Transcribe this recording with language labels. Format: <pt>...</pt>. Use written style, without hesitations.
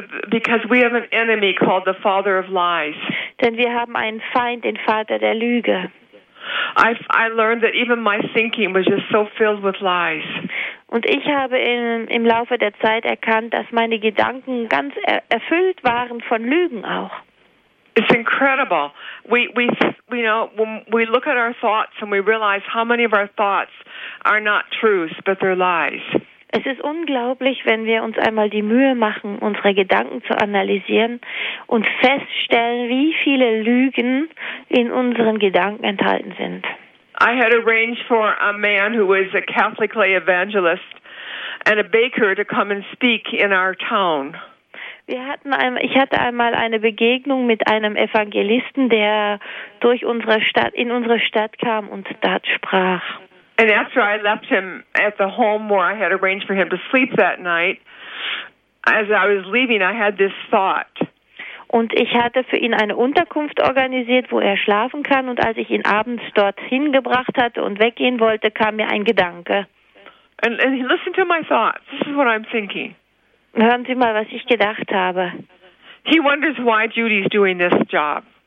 <en>Because we have an enemy called the Father of Lies.</en> <de>Denn wir haben einen Feind, den Vater der Lüge.</de> <en>I learned that even my thinking was just so filled with lies.</en> <de>Und ich habe im Laufe der Zeit erkannt, dass meine Gedanken ganz erfüllt waren von Lügen auch.</de> <en>It's incredible. We you know, when we look at our thoughts and we realize how many of our thoughts are not truths, but they're lies.</en> <de>Es ist unglaublich, wenn wir uns einmal die Mühe machen, unsere Gedanken zu analysieren und feststellen, wie viele Lügen in unseren Gedanken enthalten sind.</de> <en>I had arranged for a man who was a Catholic lay evangelist and a baker to come and speak in our town.</en> <de>Ich hatte einmal eine Begegnung mit einem Evangelisten, der in unsere Stadt kam und dort sprach.</de> <en>And after I left him at the home where I had arranged for him to sleep that night, as I was leaving, I had this thought.</en> <de>Und ich hatte für ihn eine Unterkunft organisiert, wo er schlafen kann. Und als ich ihn abends dorthin gebracht hatte und weggehen wollte, kam mir ein Gedanke.</de> <en>And listen to my thoughts. This is what I'm thinking.</en> <de>Hören Sie mal, was ich gedacht habe.</de> <en>He wonders why Judy's doing this job.</en>